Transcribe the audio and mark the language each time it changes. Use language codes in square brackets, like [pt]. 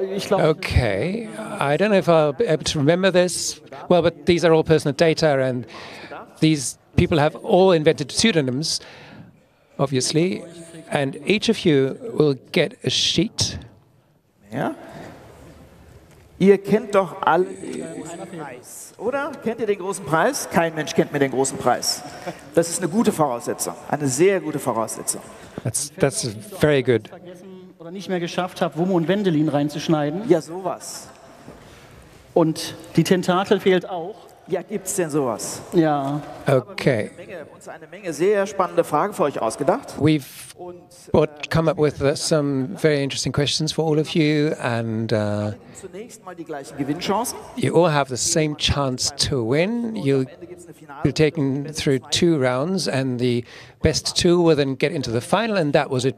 [en] Okay, I don't know if I'll be able to remember this. Well, but these are all personal data, and these people have all invented pseudonyms, obviously. And each of you will get a sheet. [de] Ja. Ihr kennt doch alle den großen Preis, oder? Kennt ihr den großen Preis? Kein Mensch kennt mir den großen Preis. Das ist eine gute Voraussetzung, eine sehr gute Voraussetzung. [en] That's very good. [de] Oder nicht mehr geschafft habe, Wumme und Wendelin reinzuschneiden. Ja, sowas. Und die Tentakel fehlt auch. Ja, gibt's denn sowas? Ja. Okay. Uns eine Menge sehr spannende Fragen für euch ausgedacht. [en] We've come up with some very interesting questions for all of you, and [de] zunächst mal die gleichen Gewinnchancen. [en] You all have the same chance to win. You'll be taken through two rounds, and the best two will then get into the final, and that was it.